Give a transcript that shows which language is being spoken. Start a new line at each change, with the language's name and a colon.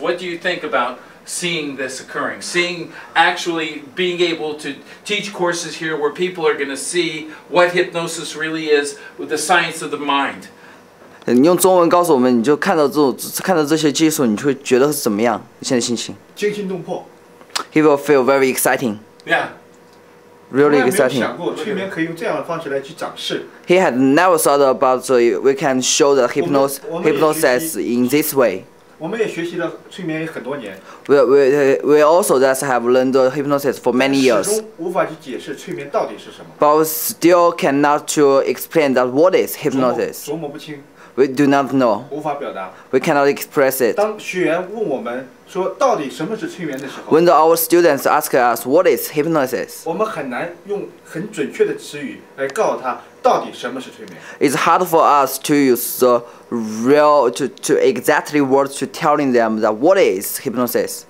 English: What do you think about seeing this occurring? Seeing actually being able to teach courses here where people are going to see what hypnosis really is with the science of the mind.
Chinese: 你用中文告诉我们，你就看到这些技术，你就会觉得是怎么样？你现在心情？惊心动魄。
English: He will feel very exciting. Yeah. Really exciting.
Chinese: 从来没有想过催眠可以用这样的方式来去展示。
English: He had never thought about the we can show the hypnosis in this way.
Chinese: 我们也学习了催眠很多年。
English: We also just have learned the hypnosis for many years.
Chinese: 始终无法去解释催眠到底是什么。
English: But still cannot to explain that what is hypnosis.
Chinese: 琢磨不清。
English: We do not know.
Chinese: 无法表达。
English: We cannot express it.
Chinese: 当学员问我们说到底什么是催眠的时候。
English: When our students ask us what is hypnosis.
Chinese: 我们很难用很准确的词语来告诉他到底什么是催眠。
English: It's hard for us to use the real to exactly words to telling them that what is hypnosis.